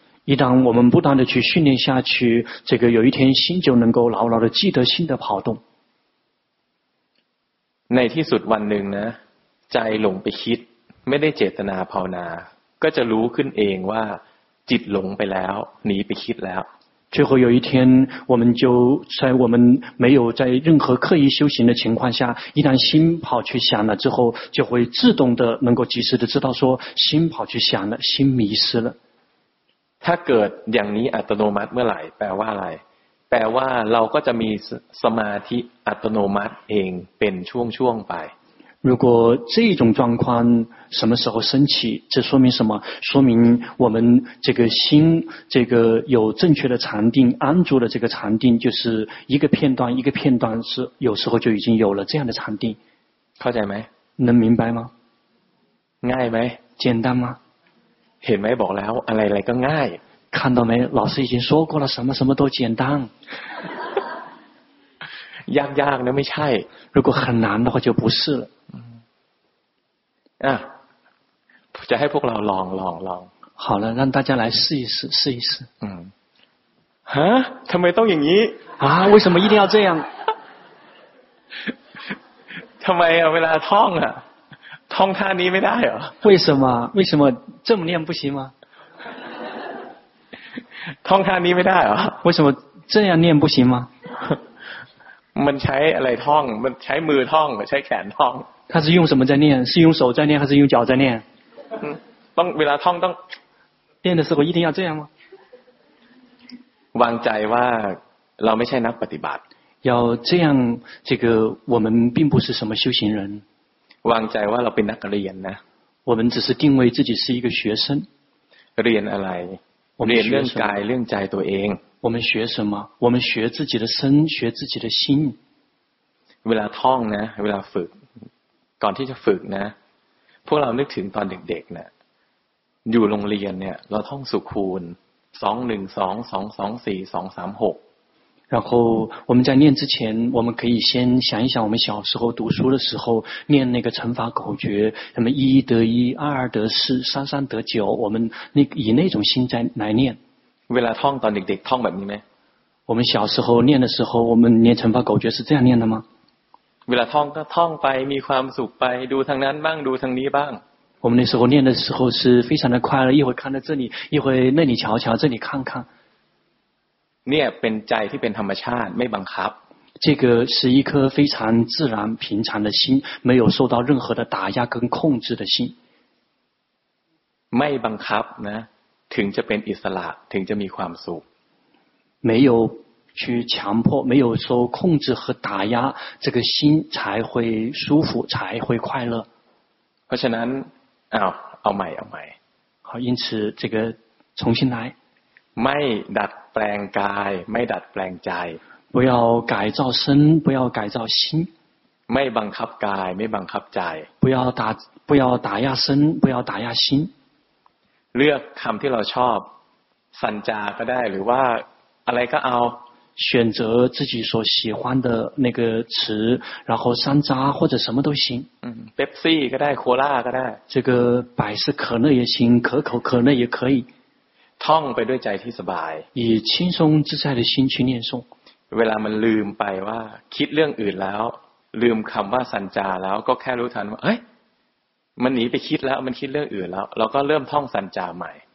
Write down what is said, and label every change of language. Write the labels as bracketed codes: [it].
[zh] 一旦我们不断的去训练下去，这个有一天心就能够牢牢的记得心的跑动。 [th] ในที่สุดวันหนึ่งนะใจหลงไปคิดไม่ได้เจตนาภาวนาก็จะรู้ขึ้นเองว่าจิตหลงไปแล้วหนีไปคิดแล้ว [zh] 最后有一天我们就在我们没有在任何刻意修行的情况下一旦心跑去想了之后就会自动的能够及时的知道说心跑去想了心迷失了 [th] ถ้าเกิดอย่างนี้อัตโนมัติเมื่อไหร่แปลว่าอะไรแปลว่าเราก็จะมีสมาธิอัตโนมัติเองเป็นช่วงๆไป [zh] 如果这种状况什么时候升起这说明什么说明我们这个心这个有正确的禅定安住的这个禅定就是一个片段一个片段是有时候就已经有了这样的禅定 [th] เข้าใจไหม [zh] 能明白吗 [th] ง่ายไหม [zh] 简单吗 [th] เห็นไหมบอกแล้วอะไรๆก็ง่าย [zh] 看到没老师已经说过了什么什么都简单 [th] ยากๆนะไม่ใช่ [zh] 如果很难的话就不是 [th] 了จะให้พวกเราลอง [zh] 好了让大家来试一试 [th] ฮะทำไมต้องอย่างนี้ [zh] 为什么一定要这样 [th] ทำไมเวลาท่องอ่ะท่องท่านี้ไม่ได้เหรอ [zh] 为什么这么念不行吗 [th] ท่องท่านี้ไม่ได้เหรอ [zh] 为什么这样念不行吗 [th] มันใช้อะไรท่องมันใช้มือท่องใช้แขนท่อง [zh] 他是用什么在念是用手在念还是用脚在念 [th] ต้องเวลาท่องต้อง [zh] 念的时候一定要这样吗 [th] วางใจว่าเราไม่ใช่นักปฏิบัติ [zh] 要这样这个我们并不是什么修行人 [th] วางใจว่าเราเป็นนักเรียนนะ [zh] 我们只是定位自己是一个学生 [th] เรียนอะไรเรีย นเรื่องกายเรื่องใจตัวเอง [zh] 我们学什么我们学自己的身学自己的心 [th] เวลาท่องนะเวลาฝึกก่อนที่จะฝึกนะพวกเรานึกถึงตอนเด็กๆนะอยู่โรงเรียนเนี่ยเราท่องสุขคูณ212 224 236 [zh] 然后我们在念之前我们可以先想一想我们小时候读书的时候念那个乘法口诀什么一得一二二得四三三得九我们以那种心在来念 [th] เวลาท่องตอนเด็กๆท่องแบบนี้ไหม [zh] 我们小时候念的时候我们念乘法口诀是这样念的吗 [th] เวลาท่องก็ท่องไปมีความสุขไปดูทางนั้นบ้างดูทางนี้บ้าง [zh] 我们那时候念的时候是非常的快乐一会看到这里一会那里瞧这里看 [th] เนี่ยเป็นใจที่เป็นธรรมชาติไม่บังคับ [zh] 这个是一颗非常自然平常的心没有受到任何的打压跟控制的心 [th] ไม่บังคับนะถึงจะเป็นอิสระถึงจะมีความสุข [zh] 没有去强迫没有受控制和打压这个心才会舒服才会快乐 [th] เพราะฉะนั้นเอาใหม่ [zh] 好因此这个重新来 [th] ไม่ดัดแปลงกายไม่ดัดแปลงใจ [zh] 不要改造身不要改造心 [th] ไม่บังคับกายไม่บังคับใจ [zh] 不要打压身不要打压心 [th] เลือกคำที่เราชอบสัญจาก็ได้หรือว่าอะไรก็เอา [zh] 选择自己所喜欢的那个词然后山楂或者什么都行 [th] 嗯เป๊ปซี่ก็ได้โคลาก็ได้ [zh] 这个百事可乐也行可口可乐也可以 [th] ท่องไปด้วยใจที่สบาย [zh] 以轻松自在的心去念诵 [th] เวลามันลืมไปว่าคิดเรื่องอื่นแล้วลืมคำว่าสัญจาแล้วก็แค่รู้ทันว่าเอ้ยมันหนีไปคิดแล้วมันคิดเรื่องอื่นแล้วเราก็เริ่มท่องสัญจาใหม่